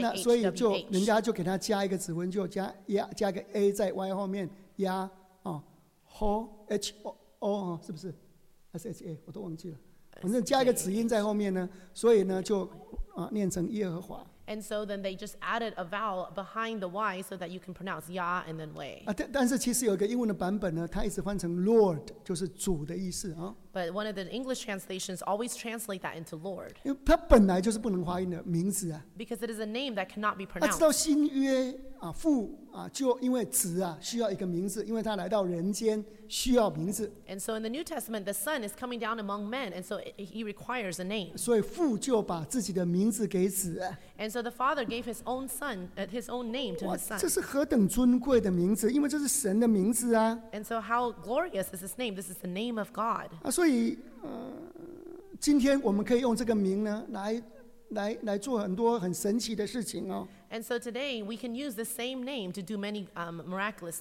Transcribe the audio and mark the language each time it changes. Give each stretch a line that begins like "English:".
Chinese: 那所以就人家就给他加一个指纹, 就加个A在Y后面, YA, HO, 是不是? SHA, 我都忘记了。反正加一个子音在后面呢, 所以呢, 就, 念成耶和华。
English: And so then they just added a vowel behind the Y so that you can pronounce Ya and then Wei.
Chinese: 但是其实有一个英文的版本呢, 它一直换成Lord, 就是主的意思, 哦。
English: But one of the English translations always translate that into Lord.
Chinese: 因为它本来就是不能发音的名字啊。
English: Because it is a name that cannot be pronounced.
Chinese: 知道新约, 父, 就因为子啊, 需要一个名字, 因为他来到人间, 需要名字。
English: And so in the New Testament, the Son is coming down among men, and so he requires a name.
Chinese: 所以父就把自己的名字给子啊。
English: And so the Father gave his own son, his own name to his son.
Chinese: 这是何等尊贵的名字, 因为这是神的名字啊。
English: And so how glorious is his name? This is the name of God.
Chinese: 所以, 今天我们可以用这个名呢, 来做很多很神奇的事情哦。
English: And so today we can use the same name to do many miraculous things.